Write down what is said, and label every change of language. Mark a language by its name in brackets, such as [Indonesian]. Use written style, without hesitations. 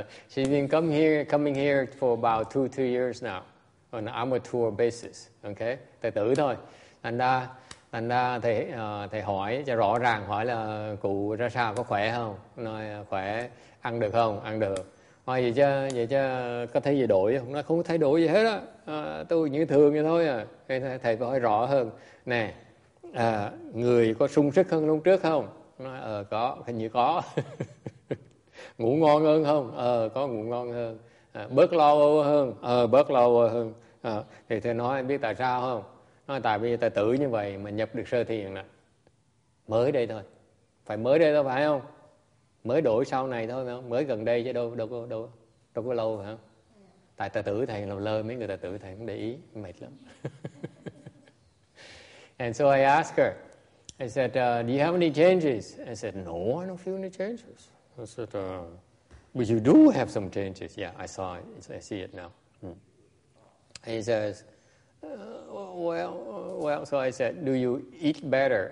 [English] She's been coming here for about 2-3 years now, on an amateur basis, okay? [Vietnamese] Tài tử thôi. Thành ra thầy hỏi cho rõ ràng, hỏi là cụ ra sao, có khỏe không? Nói khỏe, ăn được không? Ăn được. Nói vậy chứ có thấy gì đổi không? Nói không có thay đổi gì hết á. Tôi như thường vậy thôi à. Thầy hỏi rõ hơn. Nè. Người có sung sức hơn lúc trước không? Nói, có, hình như có. Ngủ ngon hơn không? Có ngủ ngon hơn. Bớt lo âu hơn? Bớt lo âu hơn. Thì thầy nói, biết tại sao không? Nói, tại vì tài tử như vậy mà nhập được sơ thiền nè. Mới đây thôi. Phải mới đây thôi, phải không? Mới đổi sau này thôi, không? Mới gần đây chứ đâu có lâu phải không? Tại tài tử thầy làm lơ, mấy người tài tử thầy cũng để ý, mệt lắm. [English] And so I asked her, I said, do you have any changes? I said, no, I don't feel any changes. I said, but you do have some changes. Yeah, I saw it. I see it now. Hmm. And he says, well, so I said, do you eat better?